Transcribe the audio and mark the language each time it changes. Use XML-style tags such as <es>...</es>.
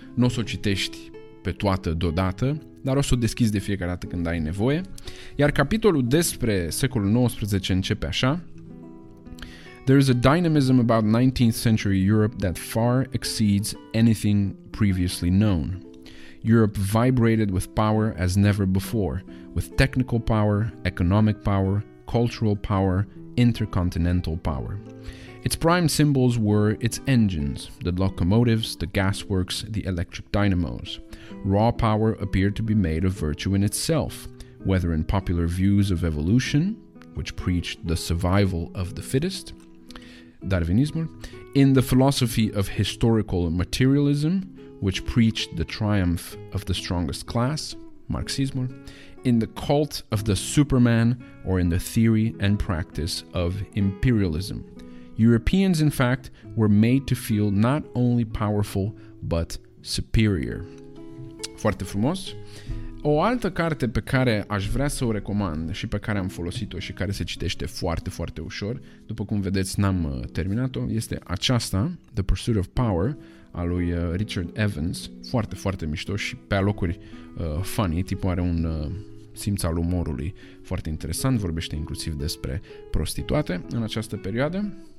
<ro>Nu o să o citești pe toată deodată, dar o să o deschizi de fiecare dată când ai nevoie. Iar capitolul despre secolul XIX începe așa:</ro> <en>There is a dynamism about 19th century Europe that far exceeds anything previously known. Europe vibrated with power as never before, with technical power, economic power, cultural power, intercontinental power. Its prime symbols were its engines, the locomotives, the gasworks, the electric dynamos. Raw power appeared to be made of virtue in itself, whether in popular views of evolution, which preached the survival of the fittest, Darwinismo, in the philosophy of historical materialism, which preached the triumph of the strongest class, Marxismo, in the cult of the Superman, or in the theory and practice of imperialism. Europeans, in fact, were made to feel not only powerful, but superior.</en> <ro>Foarte frumos. O altă carte pe care aș vrea să o recomand și pe care am folosit-o și care se citește foarte, foarte ușor, după cum vedeți, n-am terminat-o, este aceasta, The Pursuit of Power, a lui Richard Evans. Foarte, foarte mișto și pe alocuri funny, tipul are un simț al umorului foarte interesant, vorbește inclusiv despre prostituate în această perioadă.</ro>